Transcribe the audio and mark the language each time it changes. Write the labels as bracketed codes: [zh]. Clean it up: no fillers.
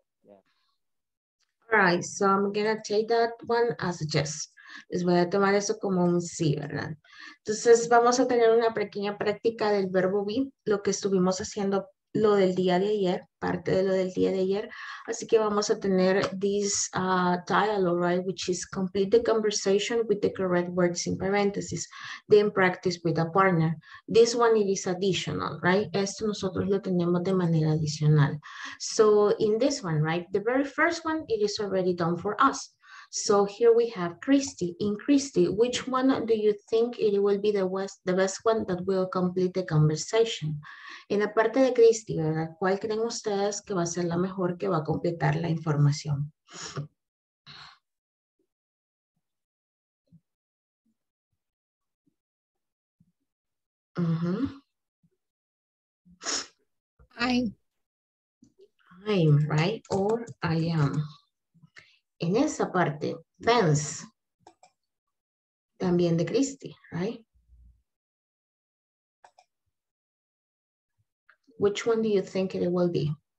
[en] All right, so I'm gonna take that one as a yes. [es] Les voy a tomar eso como un sí, ¿verdad? Entonces vamos a tener una pequeña práctica del verbo be, lo que estuvimos haciendo lo del día de ayer, parte de lo del día de ayer. Así que vamos a tener [en] this dialogue, right, which is complete the conversation with the correct words in parentheses, then practice with a partner. This one it is additional, right? [es] Esto nosotros lo tenemos de manera adicional. [en] So in this one, right, the very first one, it is already done for us. So here we have Christy. In Christy, which one do you think it will be the best one that will complete the conversation? [es] En la parte de Christy, ¿verdad? ¿Cuál creen ustedes que va a ser la mejor que va a completar la información? [en] I'm right, or I am. [es] En esa parte, thanks, también de Christy, right? [en] Which one do you think it will be?